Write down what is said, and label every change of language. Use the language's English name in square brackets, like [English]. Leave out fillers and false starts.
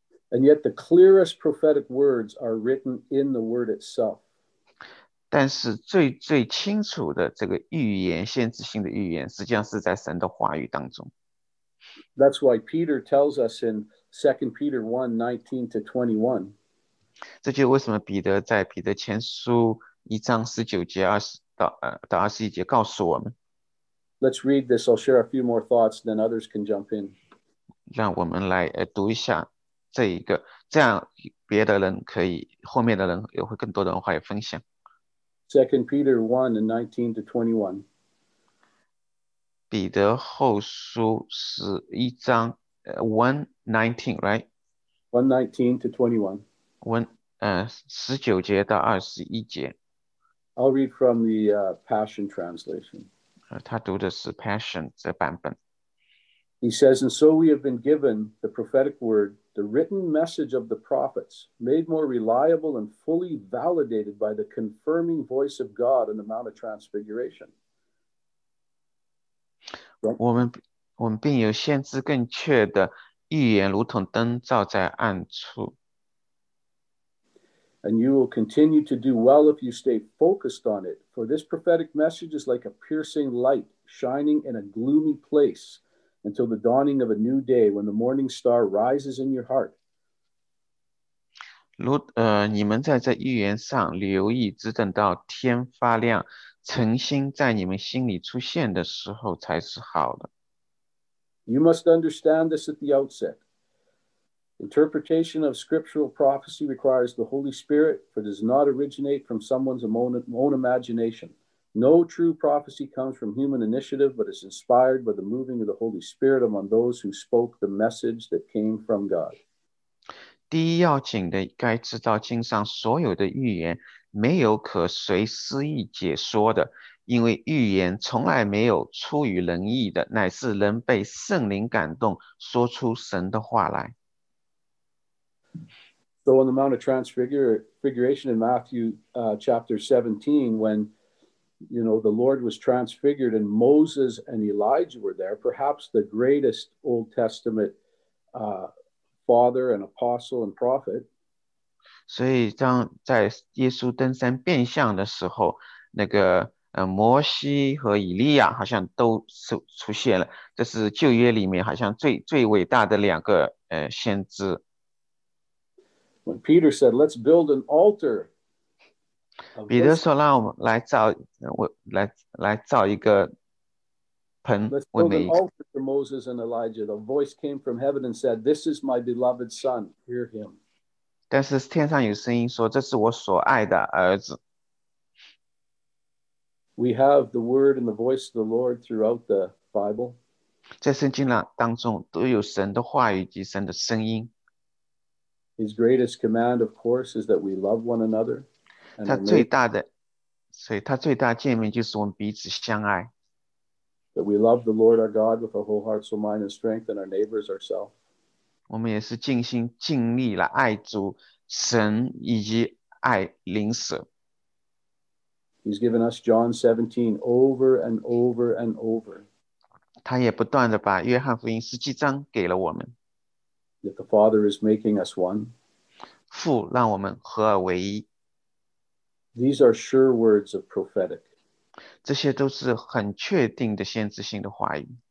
[English] And yet the clearest prophetic words are written in the word itself. [Chinese] 但是最最清楚的这个预言，限制性的预言，实际上是在神的话语当中。 [English] That's why Peter tells us in 2 Peter 1, 19 to 21. [Chinese] 这就为什么彼得在彼得前书1章19节20到21节告诉我们。 [English] Let's read this. I'll share a few more thoughts, then others can jump in. [Chinese] 让我们来读一下这一个，这样别的人可以，后面的人也会更多的话也分享。 [English] Second Peter 1 and 19 to 21. [Chinese] 彼得后书11章1:19, [English] right? 119 to 21. [Chinese] 19节到21节。 [English] I'll read from the Passion Translation. [Chinese] 他读的是 Passion 这版本。 [English] He says, And so we have been given the prophetic word, the written message of the prophets, made more reliable and fully validated by the confirming voice of God on the Mount of Transfiguration. [Chinese] 我们并有先知更确的预言，如同灯照在暗处。 [English] And you will continue to do well if you stay focused on it, for this prophetic message is like a piercing light shining in a gloomy place until the dawning of a new day when the morning star rises in your heart. [Chinese] 你们在这预言上留意，只等到天发亮，晨星在你们心里出现的时候才是好的。 [English] You must understand this at the outset. Interpretation of scriptural prophecy requires the Holy Spirit, for it does not originate from someone's own imagination. No true prophecy comes from human initiative, but is inspired by the moving of the Holy Spirit among those who spoke the message that came from God. [Chinese] 第一要紧的，该知道经上所有的预言没有可随思意解说的，因为预言从来没有出于人意的，乃是人被圣灵感动说出神的话来。 [English] So on the Mount of Transfiguration in Matthew chapter 17, when the Lord was transfigured and Moses and Elijah were there, perhaps the greatest Old Testament father and apostle and prophet. [Chinese] 所以，当在耶稣登山变相的时候，摩西和以利亚好像都出现了。这是旧约里面好像最最伟大的两个先知。 [English] When Peter said, Let's build an altar of [Chinese] 彼得 [English] this. [Chinese] 说："让我们来造，我来造一个盆， [English] Let's [Chinese] 为 [English] build an [Chinese] 每一个。" [English] altar for Moses and Elijah. The voice came from heaven and said, This is my beloved son. Hear him. [Chinese] 但是天上有声音说："这是我所爱的儿子。 [English] We have the word and the voice of the Lord throughout the Bible. [Chinese] ”在圣经当中都有神的话语及神的声音。 [English] His greatest command, of course, is that we love one another and our neighbor. [Chinese] 他最大诫命就是我们彼此相爱。 [English] That we love the Lord our God with our whole heart, soul, mind, and strength, and our neighbors ourselves. [Chinese] 我们也是尽心尽力来爱主。神以及爱灵舍， [English] He's given us John 17 over and over and over. [Chinese] 他也不断的把约翰福音17章给了我们， [English] That the Father is making us one. [Chinese] 父让我们合二为一， [English] These are sure words of prophetic. [Chinese] 这些都是很确定的限制性的话语，